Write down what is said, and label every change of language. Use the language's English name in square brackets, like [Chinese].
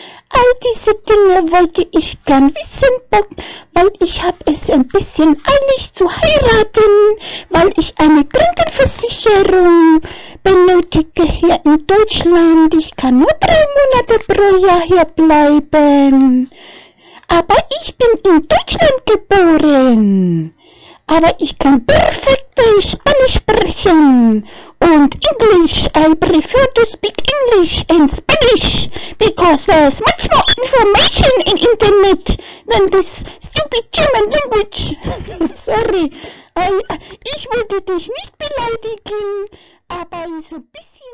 [German] All diese Dinge wollte ich gern wissen, weil ich habe es ein bisschen eilig zu heiraten, weil ich eine Krankenversicherung benötige hier in Deutschland. Ich kann nur 3 Monate pro Jahr hier bleiben. Aber ich bin in Deutschland geboren. Aber ich kann perfekt Spanisch sprechen. Und Englisch, [English] I prefer to speak English and Spanish, because there's much more information in Internet than this stupid German language. [German] Sorry, ich wollte dich nicht beleidigen, aber so ein bisschen...